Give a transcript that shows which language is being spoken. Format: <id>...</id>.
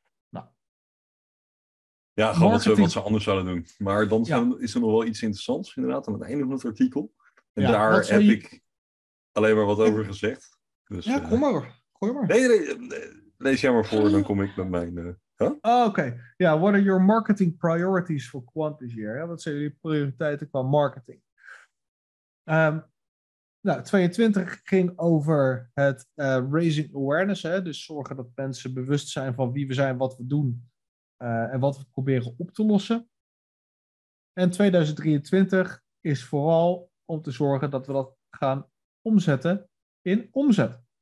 <nl>Wat ze anders zouden doen. Maar dan is er nog wel iets interessants, inderdaad, aan het einde van het artikel. En daar heb ik alleen maar wat over gezegd. Dus, kom maar. Gooi maar. Nee, lees jij maar voor, dan kom ik met mijn...</nl> <en>What are your marketing priorities for Quant this year?</en> <nl>Wat zijn jullie prioriteiten qua marketing? 22 ging over het</nl> <en>raising awareness.</en> <nl>Hè? Dus zorgen dat mensen bewust zijn van wie we zijn, wat we doen. En wat we proberen op te lossen. En 2023 is vooral om te zorgen dat we dat gaan omzetten in omzet.</nl>